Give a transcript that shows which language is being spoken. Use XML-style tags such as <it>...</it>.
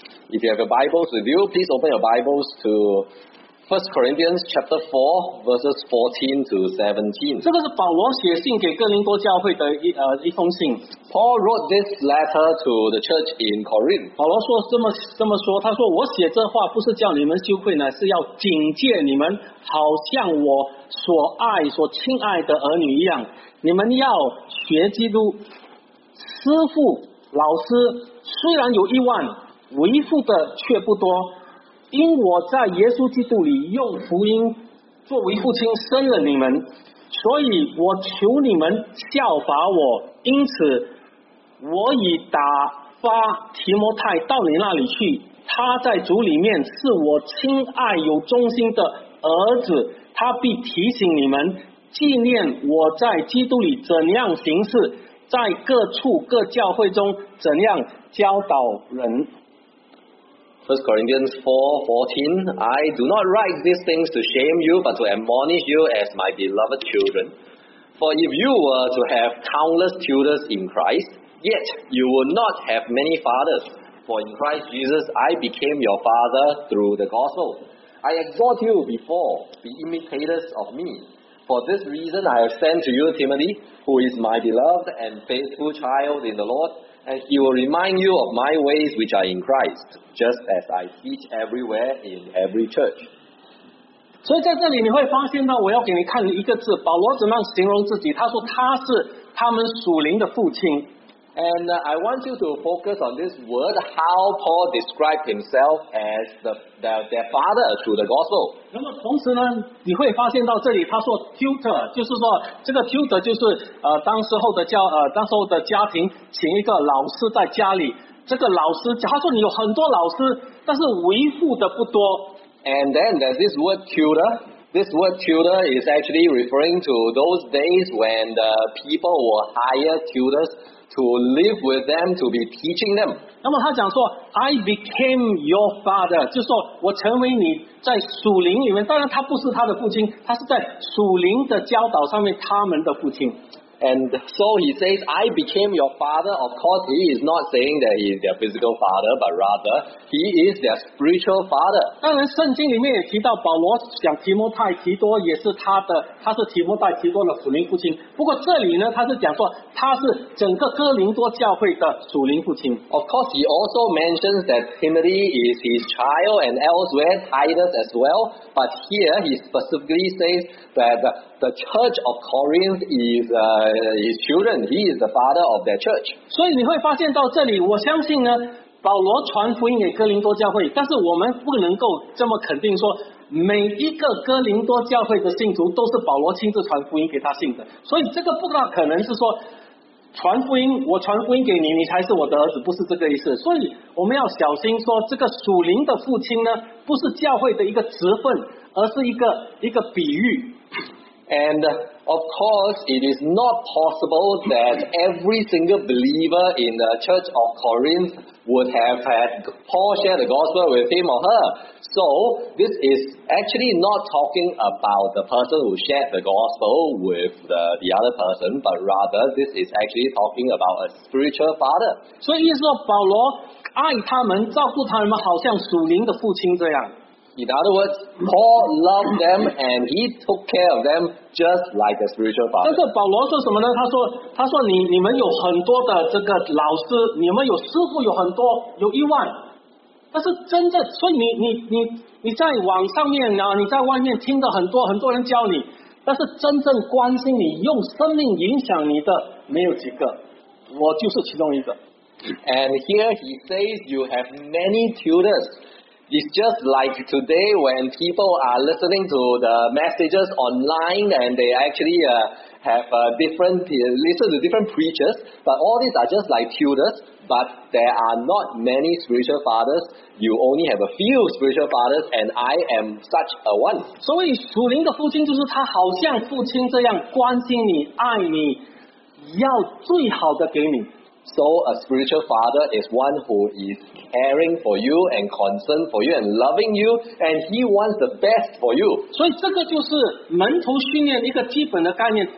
<en>If you have your Bibles with you, please open your Bibles to 1 Corinthians chapter 4, verses 14 to 17.</en> <zh>这个是保罗写信给哥林多教会的一封信。</zh> <en>Paul wrote this letter to the church in Corinth.</en> <zh>保罗说这么说，他说我写这话不是叫你们羞愧呢，是要警戒你们，好像我所爱所亲爱的儿女一样，你们要学基督。师父老师虽然有一万，为父的却不多，因我在耶稣基督里用福音作为父亲生了你们，所以我求你们效法我。因此我已打发提摩太到你那里去，他在主里面是我亲爱有忠心的儿子，他必提醒你们纪念我在基督里怎样行事，在各处各教会中怎样教导人。</zh> <en>First Corinthians 4:14, I do not write these things to shame you, but to admonish you as my beloved children. For if you were to have countless tutors in Christ, yet you would not have many fathers. For in Christ Jesus, I became your father through the gospel. I exhort you before, be imitators of me. For this reason, I have sent to you Timothy, who is my beloved and faithful child in the Lord. And he will remind you of my ways which are in Christ, just as I teach everywhere in every church.</en> <zh>所以在这里你会发现到，我要给你看一个字，保罗怎么样形容自己？他说他是他们属灵的父亲。</zh> <en>And I want you to focus on this word, how Paul described himself as their father through the gospel.</en> <zh>那么同时呢，你会发现到这里他说 tutor, 就是说这个 tutor 就是当时候的家庭请一个老师在家里。这个老师他说你有很多老师，但是为父的不多。</zh> <en>And then there's this word tutor. This word tutor is actually referring to those days when the people were hired tutors to live with them, to be teaching them.</en> <zh>那么他讲说</zh> <en>I became your father,</en> <zh>就是说我成为你在属灵里面，当然他不是他的父亲，他是在属灵的教导上面他们的父亲。</zh> <en>And so he says, I became your father. Of course, he is not saying that he is their physical father, but rather, he is their spiritual father.</en> <zh>当然圣经里面也提到保罗讲提摩太提多也是他是提摩太提多的属灵父亲。不过这里呢，他是讲说他是整个哥林多教会的属灵父亲。</zh> <en>Of course, he also mentions that Timothy is his child and elsewhere Titus as well. But here, he specifically says that the church of Corinth is his children. He is the father of their church.</en> <zh>所以你会发现到这里，我相信呢，保罗传福音给哥林多教会，但是我们不能够这么肯定说每一个哥林多教会的信徒都是保罗亲自传福音给他信的。所以这个不大可能是说传福音，我传福音给你，你才是我的儿子，不是这个意思。所以我们要小心说，这个属灵的父亲呢，不是教会的一个职分，而是一个比喻。</zh> <en>And of course, it is not possible that every single believer in the Church of Corinth would have had Paul share the gospel with him or her. So this is actually not talking about the person who shared the gospel with the other person, but rather this is actually talking about a spiritual father.</en> <zh>所以意思说，保罗爱他们，照顾他们，好像属灵的父亲这样。</zh> <en>In other words, Paul loved them and he took care of them just like a spiritual father.</en> <zh>但是保罗说什么呢？他说你们有很多的这个老师，你们有师父有很多，有一万。但是真正，所以你在网上面啊，你在外面听到很多很多人教你，但是真正关心你、用生命影响你的没有几个，我就是其中一个。</zh> <en>And here he says, you have many tutors. It's just like today when people are listening to the messages online and they actually listen to different preachers, but all these are just like tutors, but there are not many spiritual fathers. You only have a few spiritual fathers and I am such a one.</en> <zh>所以属灵的父亲就是他好像父亲这样关心你、爱你，要最好的给你。</zh> <en>So a spiritual father is one who is caring for you and concerned for you and loving you, and he wants the best for you.</en> <zh>所以这个就是门徒训练一个基本的概念。</zh>